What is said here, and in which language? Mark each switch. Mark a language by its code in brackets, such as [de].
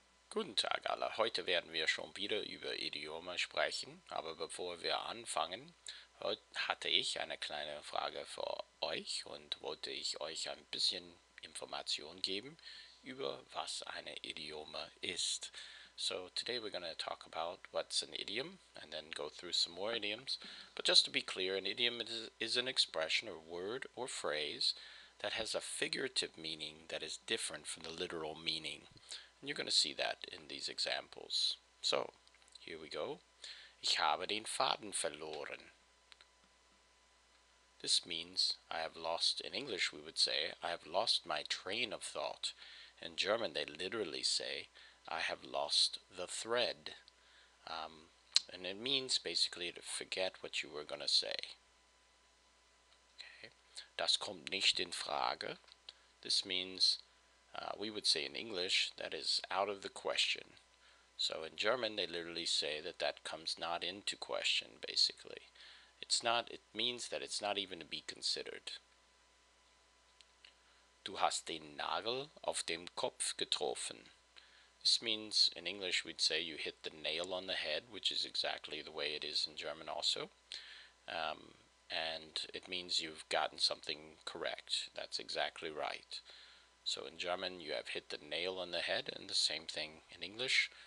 [de] Guten Tag alle, heute werden wir schon wieder über Idiome sprechen, aber bevor wir anfangen, hatte ich eine kleine Frage für euch und wollte ich euch ein bisschen Information geben über was eine Idiome ist. [en] So today we're going to talk about what's an idiom and then go through some more idioms. But just to be clear, an idiom is an expression or word or phrase that has a figurative meaning that is different from the literal meaning. And you're going to see that in these examples. So, here we go. [de] Ich habe den Faden verloren. [en] This means I have lost, in English we would say, I have lost my train of thought. In German they literally say, I have lost the thread. And it means basically to forget what you were going to say. Okay. [de] Das kommt nicht in Frage. [en] This means we would say in English, that is out of the question. So in German, they literally say that that comes not into question, basically. It means that it's not even to be considered. [de] Du hast den Nagel auf dem Kopf getroffen. [en] This means, in English, we'd say you hit the nail on the head, which is exactly the way it is in German also. And it means you've gotten something correct. That's exactly right. So in German, you have hit the nail on the head, and the same thing in English.